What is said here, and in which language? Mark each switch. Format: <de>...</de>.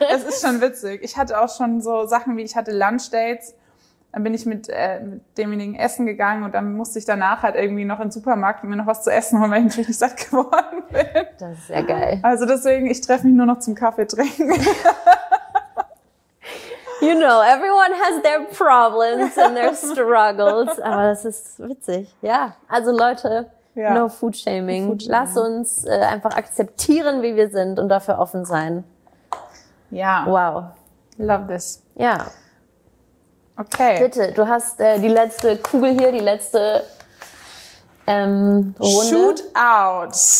<de>Es ist schon witzig. Ich hatte auch schon so Sachen wie, ich hatte Lunch-Dates. Dann bin ich mit demjenigen essen gegangen und dann musste ich danach halt irgendwie noch in den Supermarkt, um mir noch was zu essen holen, weil ich natürlich nicht satt geworden bin. Das ist ja geil. Also deswegen, ich treffe mich nur noch zum Kaffee trinken.</de> <en>You know, everyone has their problems and their struggles.</en> <de>Aber das ist witzig. Ja, also Leute,</de> <en>no food shaming.</en> <de>Lass uns einfach akzeptieren, wie wir sind und dafür offen sein. Ja. Wow.</de> <en>Love this.</en> <de>Ja. Okay. Bitte, du hast die letzte Kugel hier, die letzte Runde. Shootout.</de>